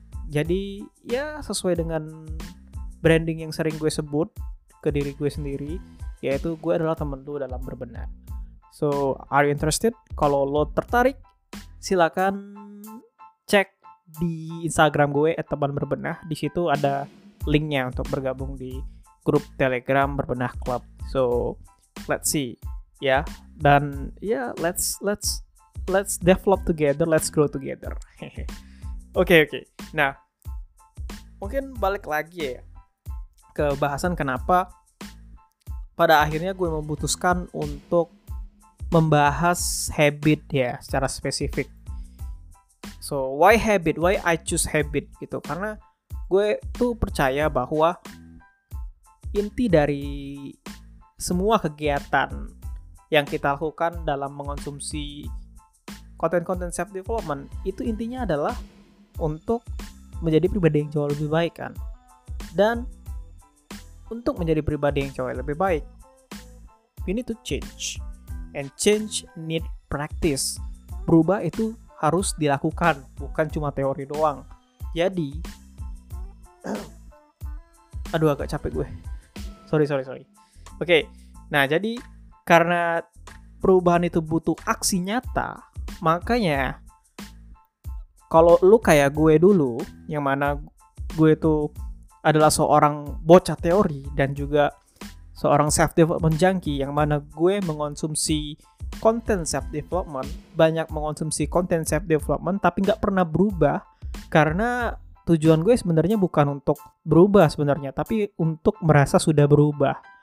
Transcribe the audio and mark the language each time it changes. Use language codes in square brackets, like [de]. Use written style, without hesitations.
[id] Jadi ya sesuai dengan branding yang sering gue sebut ke diri gue sendiri, yaitu gue adalah teman lu dalam berbenah. [en] So, are you interested? [id] Kalau lo tertarik, silakan cek di Instagram gue @temanberbenah. Di situ ada linknya untuk bergabung di grup Telegram Berbenah Club. [en] So, let's see, ya. Dan ya, let's develop together, let's grow together. Okay. [id] Nah, mungkin balik lagi ya ke bahasan kenapa pada akhirnya gue memutuskan untuk membahas habit ya secara spesifik. [en] So, why habit? Why I choose habit? [id] Gitu. Karena gue tuh percaya bahwa inti dari semua kegiatan yang kita lakukan dalam mengonsumsi konten-konten self-development, itu intinya adalah untuk menjadi pribadi yang jauh lebih baik kan. Dan untuk menjadi pribadi yang jauh lebih baik, [en] we need to change. And change need practice. [id] Berubah itu harus dilakukan, bukan cuma teori doang. Jadi, aduh agak capek gue. Sorry. Oke. Nah, jadi karena perubahan itu butuh aksi nyata, makanya kalau lu kayak gue dulu, yang mana gue itu adalah seorang bocah teori dan juga seorang self-development junkie, yang mana gue mengonsumsi konten self-development, banyak mengonsumsi konten self-development, tapi gak pernah berubah, karena tujuan gue sebenarnya bukan untuk berubah sebenarnya, tapi untuk merasa sudah berubah.